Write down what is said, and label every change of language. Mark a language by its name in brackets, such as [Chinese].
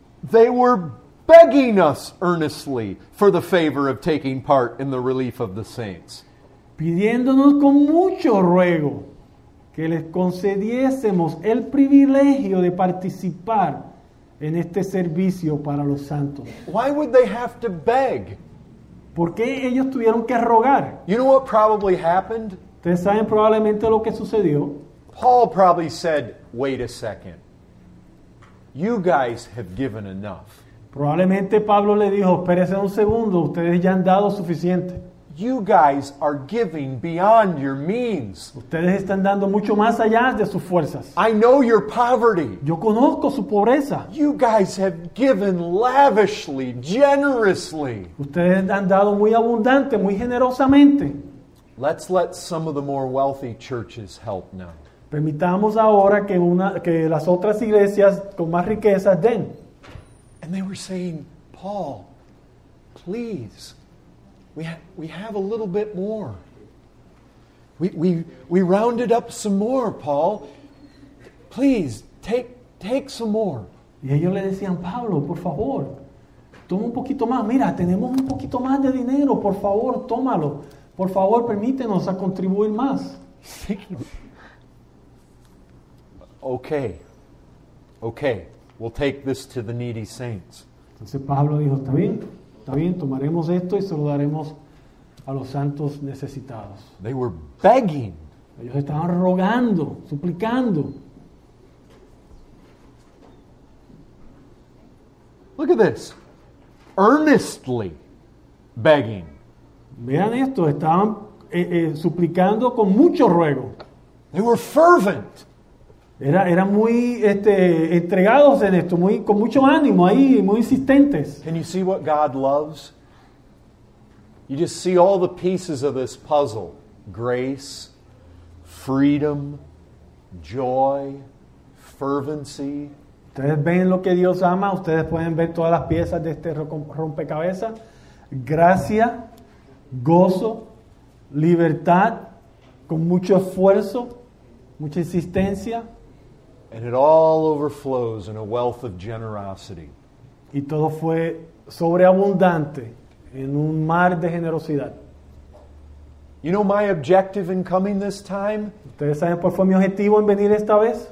[English] They were begging us earnestly for the favor of taking part in the relief of the saints. [Spanish] Pidiéndonos con mucho ruego que les concediésemos el privilegio de participar en este servicio para los santos. [English] Why would they have to beg? [Spanish] ¿Por qué ellos tuvieron que rogar? [English] You know what probably happened? [Spanish] ¿Ustedes saben probablemente lo que sucedió? [English] Paul probably said, wait a second. You guys have given enough. [Spanish] Probablemente Pablo le dijo, espérese un segundo, ustedes ya han dado suficiente. [English] You guys are giving beyond your means. [Spanish] Ustedes están dando mucho más allá de sus fuerzas. [English] I know your poverty. [Spanish] Yo conozco su pobreza. [English] You guys have given lavishly, generously. [Spanish] Ustedes han dado muy abundante, muy generosamente. [English] Let's let some of the more wealthy churches help now. [Spanish] Permitamos ahora que las otras iglesias con más riquezas den. [English] And they were saying, Paul, please, we have a little bit more. We rounded up some more, Paul. Please, take some more. [Spanish] Y ellos le decían, Pablo, por favor, toma un poquito más. Mira, tenemos un poquito más de dinero. Por favor, tómalo. Por favor, permítenos a contribuir más. [English] Okay, we'll take this to the needy saints. [Spanish] Entonces Pablo dijo, está bien, tomaremos esto y se lo daremos a los santos necesitados. [English] They were begging. [Spanish] Ellos estaban rogando, suplicando. [English] Look at this. Earnestly begging. [Spanish] Vean esto, estaban suplicando con mucho ruego. [English] They were fervent. [Spanish] Era muy entregados en esto, muy con mucho ánimo ahí, muy insistentes. [English] Can you see what God loves? You just see all the pieces of this puzzle: grace, freedom, joy, fervency. [Spanish] ¿Ustedes ven lo que Dios ama? ¿Ustedes pueden ver todas las piezas de este rompecabezas? Gracia, gozo, libertad, con mucho esfuerzo, mucha insistencia. [English] And it all overflows in a wealth of generosity. [Spanish] Y todo fue sobreabundante en un mar de generosidad. [English] You know my objective in coming this time? [Spanish] ¿Ustedes saben cuál fue mi objetivo en venir esta vez?